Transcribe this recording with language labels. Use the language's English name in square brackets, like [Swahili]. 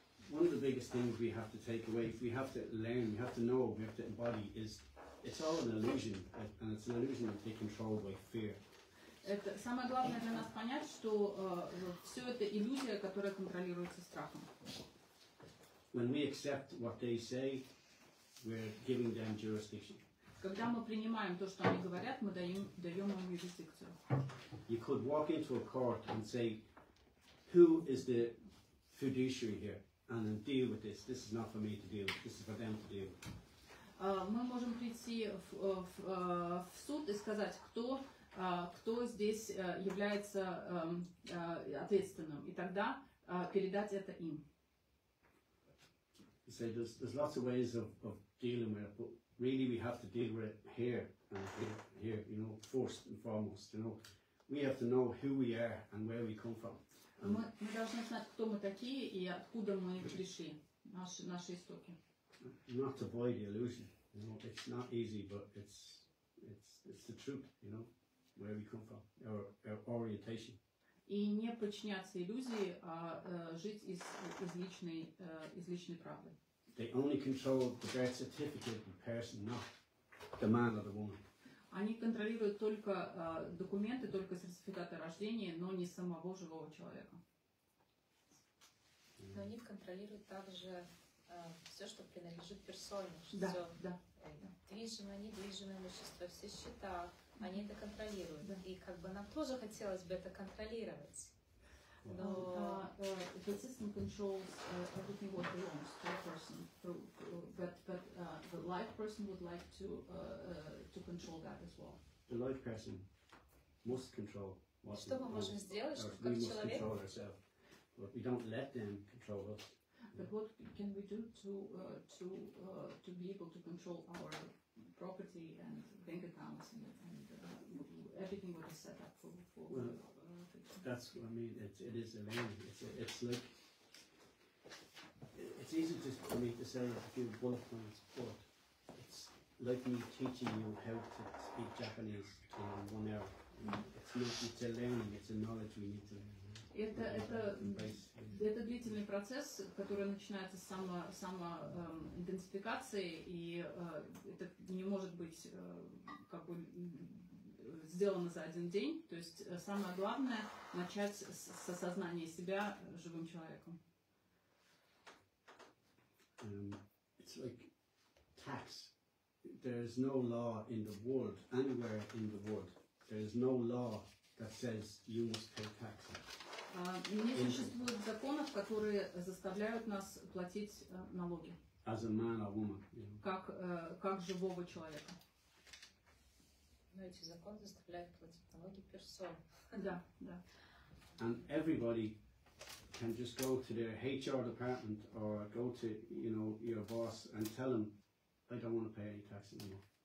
[English] One of the biggest things we have to take away, if we have to learn, we have to know, we have to embody, is it's all an illusion, and it's an illusion that they control by fear. [Russian] Это самое главное для нас понять, что все это иллюзия, которая контролируется страхом. [English] When we accept what they say, we're giving them jurisdiction. [Russian] Когда мы принимаем то, что они говорят, мы даем им юрисдикцию. [English] You could walk into a court and say, who is the fiduciary here? And then deal with this. This is not for me to deal with. This is for them to deal with. [Russian] Мы можем прийти в суд и сказать, кто здесь является ответственным. И тогда передать это им. [English] So there's lots of ways of dealing with it, but really we have to deal with it here, you know, first and foremost, you know. We have to know who we are and where we come from. [Russian] Мы должны знать, кто мы такие и откуда мы пришли, наши истоки. [English] Not to avoid the illusion, you know, it's not easy, but it's the truth, you know, where we come from, our orientation. [Russian] И не подчиняться иллюзии, а жить из личной правды. [English] They only control the birth certificate, the person, not the man or the woman. [Russian] Они контролируют только документы, только сертификаты рождения, но не самого живого человека. Но они контролируют также все, что принадлежит персоне. Да, все. Да. Движимое, недвижимое имущество, все счета, они это контролируют. Да. И как бы нам тоже хотелось бы это контролировать. Но [English] the system controls everything what belongs to a person, but the live person would like to control that as well. The live person must control what [Russian] Что мы можем сделать, чтобы как человек? [English] We must control ourselves, but we don't let them control us. But what can we do to be able to control our property and bank accounts and everything that is set up for well, that's what I mean. It is a learning. It's easy for me to say a few bullet points, but it's like me teaching you how to speak Japanese to 1 hour. It's a learning. It's a knowledge we need to learn. [Russian] Это длительный процесс, который начинается с самоидентификации, и это не может быть как бы сделано за один день. То есть самое главное начать с осознания себя живым человеком. [English] It's like tax. There is no law in the world, anywhere in the world. There is no law that says you must pay taxes. [Russian] Не существует законов, которые заставляют нас платить налоги. [English] As a man or woman, you know. [Russian] Как живого человека. Но эти законы заставляют платить налоги персон. Да, да. [English] And everybody can just go to their HR department or go to, you know, your boss and tell them, I don't want to pay any tax anymore.